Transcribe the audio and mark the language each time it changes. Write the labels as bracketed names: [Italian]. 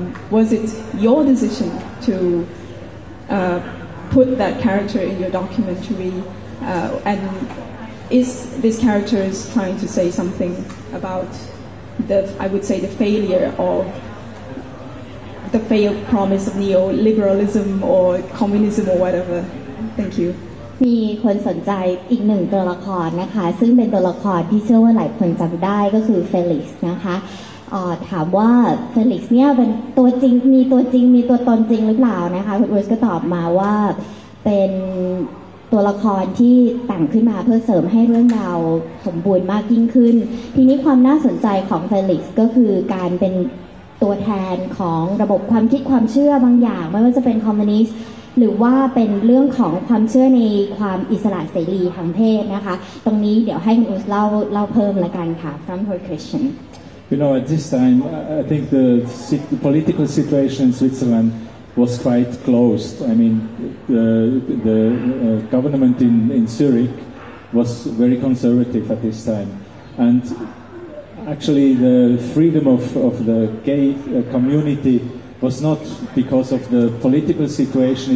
[English] Was it your decision to put that character in your documentary? And is this character is trying to say something about the, I would say, the failure of the failed promise of neoliberalism or communism or whatever? Thank you. [Thai] มีคนสนใจอีกหนึ่งตัวละครนะคะซึ่งเป็นตัวละครที่เชื่อว่าหลายคนจำได้ก็คือเฟลิกซ์นะคะถามว่าเฟลิกซ์เนี่ยเป็นตัวจริงมีตัวจริงมีตัวตนจริงหรือเปล่านะคะคุณอุสก็ตอบมาว่าเป็น ตัวละครที่แต่งขึ้นมาเพื่อเสริมให้เรื่องราวสมบูรณ์มากยิ่งขึ้นทีนี้ความน่าสนใจของเฟลิกซ์ก็คือการเป็นตัวแทนของระบบความคิดความเชื่อบางอย่างไม่ว่าจะเป็นคอมมิวนิสต์หรือว่าเป็นเรื่องของความเชื่อในความอิสระเสรีทางเพศนะคะตรงนี้เดี๋ยวให้คุณอุสเล่าเพิ่มละกันค่ะ [English] from her question you know at this time I think the political situation in Switzerland was quite closed I mean the government in Zurich was very conservative at this time and actually the freedom of the gay communityWas not because of the political situation.